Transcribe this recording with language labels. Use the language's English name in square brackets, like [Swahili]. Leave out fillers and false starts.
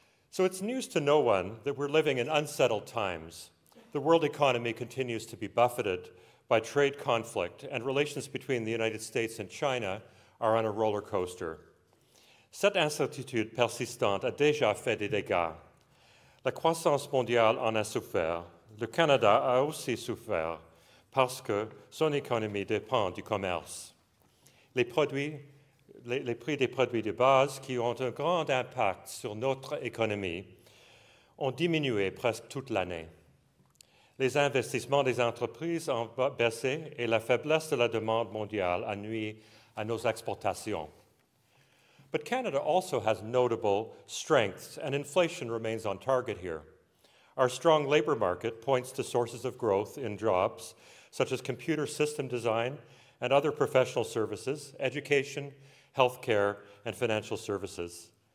[English] So it's news to no one that we're living in unsettled times. The world economy continues to be buffeted by trade conflict, and relations between the United States and China are on a roller coaster. [French] Cette incertitude persistante a déjà fait des dégâts. La croissance mondiale en a souffert. Le Canada a aussi souffert parce que son économie dépend du commerce. Les prix des produits de base qui ont un grand impact sur notre économie ont diminué presque toute l'année. Les investissements des entreprises ont baissé et la faiblesse de la demande mondiale a nui à nos exportations. [English] But Canada also has notable strengths, and inflation remains on target here. Our strong labor market points to sources of growth in jobs, such as computer system design and other professional services, education, healthcare, and financial services.